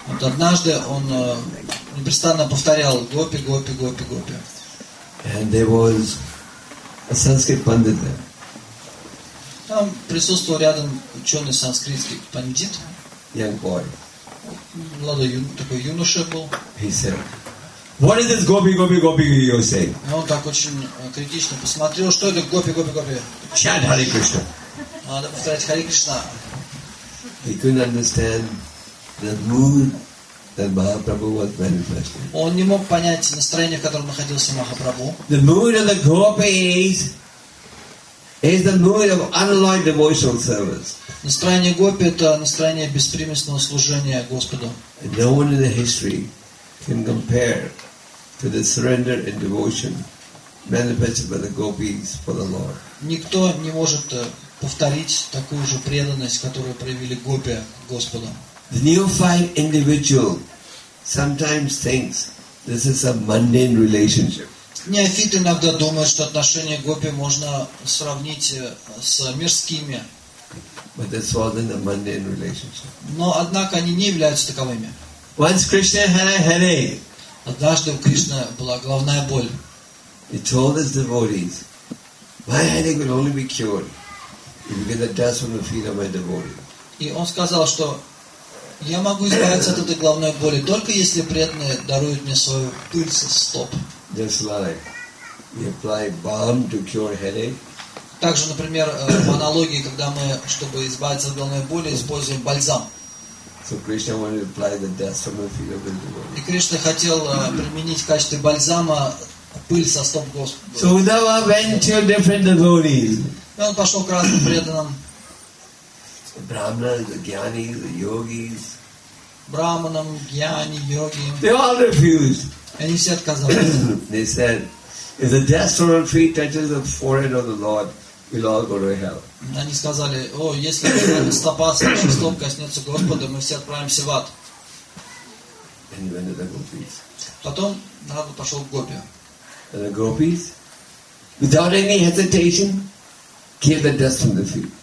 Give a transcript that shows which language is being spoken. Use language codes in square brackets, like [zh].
[ru] Вот однажды он непрестанно повторял Гопи, Гопи, Гопи, Гопи. [en] And there was a Sanskrit pandit there. [ru] Там присутствовал рядом ученый санскритский пандит. [en] Young boy. [ru] Молодой такой юноша был. [en] He said, "What is this Gopi, Gopi, Gopi you say?" [ru] Он так очень критично посмотрел, что это Гопи, Гопи, Гопи. [en] Chant Hare Krishna. [ru] Надо повторять Hare Krishna. [en] He couldn't understand the mood that Mahaprabhu was manifesting. [ru] Он не мог понять настроение, в котором находился Махапрабху. [en] The mood of the Gopis is the mood of unalloyed devotional service. [ru] Настроение гопи — это настроение беспримесного служения Господу. [en] No one in the history can compare to the surrender and devotion manifested by the gopis for the Lord. [ru] Никто не может повторить такую же преданность, которую проявили гопи Господу. [en] The neophyte individual sometimes thinks this is a mundane relationship. [ru] Неофит иногда думает, что отношения гопи можно сравнить с мирскими. [en] But that's all in a mundane relationship. [ru] Но однако они не являются таковыми. [en] Once Krishna had a headache. [ru] Однажды у Кришны была головная боль. [en] He told his devotees, "My headache will only be cured if you get the dust from the feet of my devotee." [ru] И он сказал, что я могу избавиться от этой головной боли только если преданные даруют мне свою пыль со стоп. [en] Just like we apply balm to cure headache. [ru] Также, например, в аналогии, когда мы, чтобы избавиться от головной боли, используем бальзам. [en] So Krishna wanted to apply the dust from the feet of his devotee. [ru] И Кришна хотел применить в качестве бальзама пыль со стоп Господа. [en] So Uddhava went to different devotees. [ru] И он пошел к разным преданным. [en] The brahmanas, the gyanis, the yogis. [ru] Брахманам, гьяни, йоги. [en] They all refused. [ru] Они все отказались. [en] They said, if the dust from our feet touches the forehead of the Lord, we'll all go to hell. [ru] Они сказали, о, если стопа с нашей стоп коснется Господа, мы все отправимся в ад. [en] And when the gopis. [ru] Потом Нарада пошел к гопи. [en] And the gopis, without any hesitation, gave the dust from the feet.